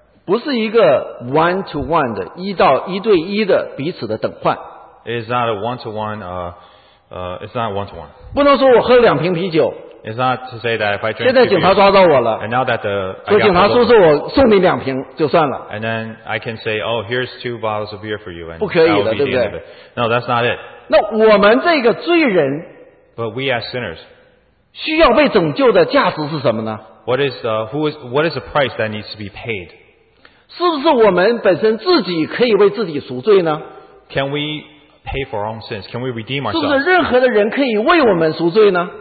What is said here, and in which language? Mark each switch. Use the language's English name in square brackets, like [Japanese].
[Chinese] 不是一个 [English] one to one [Chinese] 的一到一对一的彼此的等换。 [English] It is not a one to one, it's not one to one. [Chinese] 不能说我喝两瓶啤酒。 [English] It's not to say that if I drink. [Chinese] 现在警察抓到我了。 [English] And now that the [Chinese] 说警察叔叔我送你两瓶就算了。 [English] And then I can say, oh, here's two bottles of beer for you. [Chinese] 不可以的，对不对 [English] ？No, that's not it. [Chinese] 那我们这个罪人。 [English] But we as sinners. [Chinese] 需要被拯救的价值是什么呢 [English] ？What is what is the price that needs to be paid? [Chinese] 是不是我们本身自己可以为自己赎罪呢 [English] ？Can we pay for our own sins? Can we redeem ourselves? [Chinese] 是不是任何的人可以为我们赎罪呢